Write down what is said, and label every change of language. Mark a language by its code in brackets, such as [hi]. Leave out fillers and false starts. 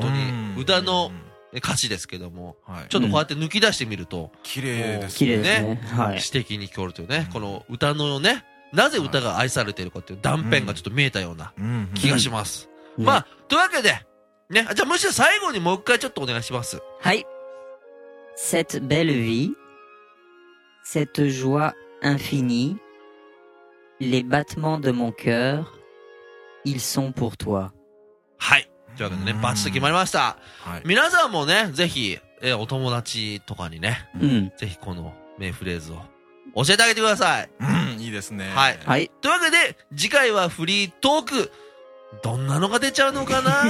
[ja] 本当に、歌の歌詞ですけども、はい、ちょっとこうやって抜き出してみると、綺麗ですね。綺麗ですね。はい、詩的に聞こえるというね、この歌のね、なぜ歌が愛されているかという断片がちょっと見えたような気がします。まあ、というわけで、ね、じゃあむしろ最後にもう一回ちょっとお願いします。はい。 [fr] Cette belle vie, cette joie infinie,Les battements de mon cœur, ils sont pour toi. [ja] はい。というわけでね、バッチリ決まりました。はい、皆さんもね、ぜひ、お友達とかにね、うん、ぜひこの名フレーズを教えてあげてください。うん、いいですね。はい。はい。というわけで、次回はフリートーク。どんなのが出ちゃうのかな？